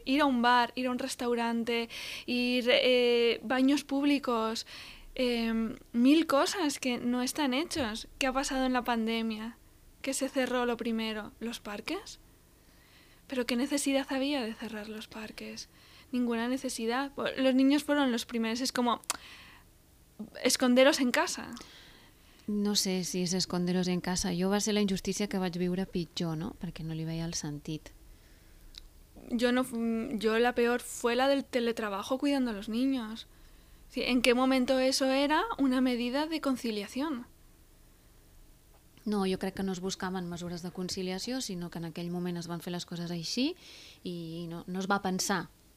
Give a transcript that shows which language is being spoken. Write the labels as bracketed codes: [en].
[es] Ir a un bar, ir a un restaurante, ir baños públicos, mil cosas que no están hechos. ¿Qué ha pasado en la pandemia? ¿Qué se cerró lo primero? ¿Los parques? ¿Pero qué necesidad había de cerrar los parques? Ninguna necesidad. Los niños fueron los primeros. Es como esconderos en casa. [ca] No sé si és [es] esconderos en casa. [ca] Jo va ser la injustícia que vaig viure pitjor, no? Perquè no li veia el sentit. [es] Yo la peor fue la del teletrabajo cuidando a los niños. ¿En qué momento eso era una medida de conciliación? [ca] No, jo crec que no es buscaven mesures de conciliació, sinó que en aquell moment es van fer les coses així i no es va pensar.